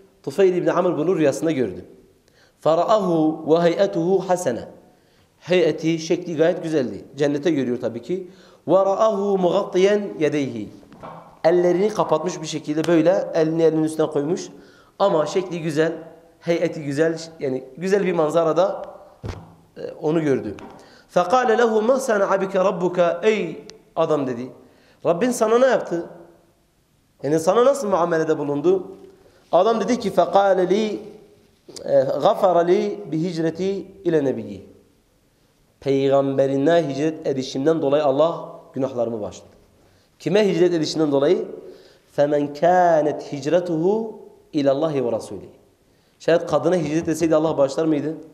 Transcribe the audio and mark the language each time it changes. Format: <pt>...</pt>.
<tr>Tufeyl ibn Amr bunu rüyasında gördü.</tr> <ar>Fara'ahu ve hey'atuhu hasene.</ar> <tr>Hey'ati, şekli gayet güzeldi. Cennete görüyor tabii ki.</tr> <ar>وَرَأَهُ مُغَطِّيًا يَدَيْهِ</ar> <tr>Ellerini kapatmış bir şekilde böyle elini elinin üstüne koymuş. Ama şekli güzel, heyeti güzel, yani güzel bir manzarada onu gördü.</tr> <ar>فَقَالَ لَهُ مَا سَنَعَ بِكَ رَبُّكَ</ar> <tr>Ey adam dedi. Rabbin sana ne yaptı? Yani sana nasıl muamelede bulundu? Adam dedi ki</tr> <ar>فَقَالَ لِي غَفَرَ لِي بِهِجْرَتِي اِلَى نَبِيِّ</ar> <tr>Peygamberine hicret edişimden dolayı Allah günahlarımı bağışladı. Kime hicret edişinden dolayı?</tr> <ar>فَمَنْ كَانَتْ هِجْرَتُهُ اِلَى اللّٰهِ وَرَسُولِهِ</ar> <tr>Şayet kadına hicret etseydi Allah bağışlar mıydı?</tr>